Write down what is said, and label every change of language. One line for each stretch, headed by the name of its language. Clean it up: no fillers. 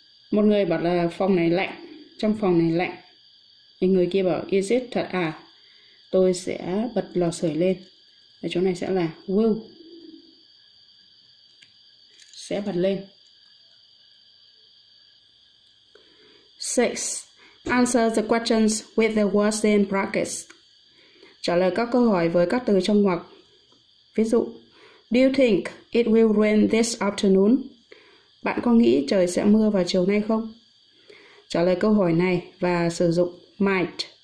Vietnamese: Một người bảo là phòng này lạnh, trong phòng này lạnh. Thì người kia bảo
English: is it
Vietnamese: thật à? tôi sẽ bật lò sưởi lên. Ở chỗ này sẽ là will, sẽ bật lên. 6.
English: Answer the questions with the words in brackets.
Vietnamese: Trả lời các câu hỏi với các từ trong ngoặc. Ví dụ,
English: do you think it will rain this afternoon?
Vietnamese: Bạn có nghĩ trời sẽ mưa vào chiều nay không? Trả lời câu hỏi này và sử dụng might.